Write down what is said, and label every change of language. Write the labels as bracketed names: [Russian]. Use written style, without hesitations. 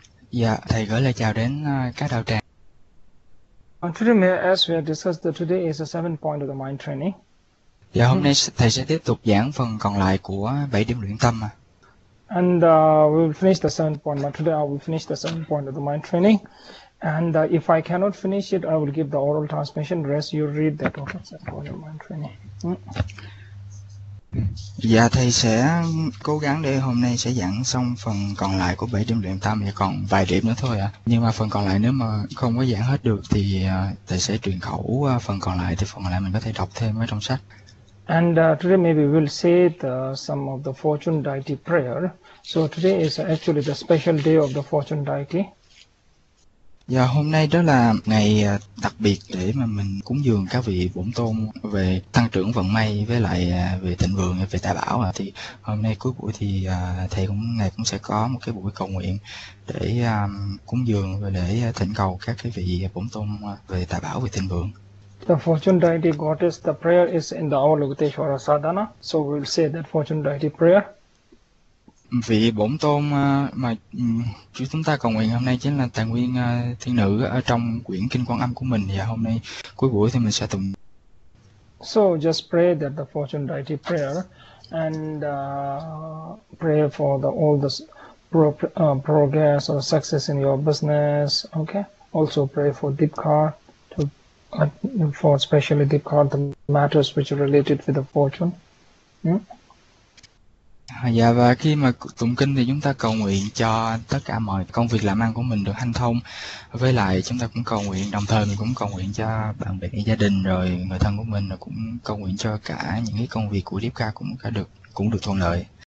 [Vietnamese] Dạ, thầy gửi lời chào đến các đạo tràng. [English] And today, as we have discussed, that today is the 7th point of the mind training. [Vietnamese] Dạ, hôm nay thầy sẽ tiếp tục giảng phần còn lại của 7 điểm luyện tâm ạ. [English] And we will finish the 7th point. But today, I will finish the 7th point of the mind training. And if I cannot finish it, I will give the oral transmission. Rest, you read that total 7th point of mind training. [Vietnamese] Dạ, thầy sẽ cố gắng để hôm nay sẽ giảng xong phần còn lại của 7 điểm luyện tâm, và còn vài điểm nữa thôi ạ. Nhưng mà phần còn lại nếu mà không có giảng hết được thì thầy sẽ truyền khẩu phần còn lại, thì phần còn lại mình có thể đọc thêm ở trong sách. [English] And today maybe we'll say some of the fortune deity prayer. So today is actually the special day of the fortune deity. [Vietnamese] Dạ, hôm nay đó là ngày đặc biệt để mà mình cúng dường các vị bổn tôn về tăng trưởng vận may, với lại về thịnh vượng, về tài bảo. Thì hôm nay cuối buổi thì thầy cũng ngày cũng sẽ có một cái buổi cầu nguyện để cúng dường và để thỉnh cầu các cái vị bổn tôn về tài bảo, về thịnh vượng. [English] The fortune deity goddess, the prayer is in the Avalokiteshvara Sadhana, so we will say that fortune deity prayer. [Vietnamese] Vị bổn tôn mà chúng ta cầu nguyện hôm nay chính là tài nguyên thiên nữ ở trong quyển Kinh Quang Âm của mình, và hôm nay cuối buổi thì mình sẽ tụng. [English] So just pray that the fortune deity prayer and pray for the all the progress or success in your business. Okay, also pray for Dipkar. For especially the card, the matters which are related with the fortune. [Vietnamese] Dạ, và khi mà tụng kinh thì chúng ta cầu nguyện cho tất cả mọi công việc làm ăn của mình được hanh thông, với lại chúng ta cũng cầu nguyện, đồng thời mình cũng cầu nguyện cho bạn bè gia đình, rồi người thân của mình, rồi cũng cầu nguyện cho cả những cái công việc của Deepak cũng được thuận lợi.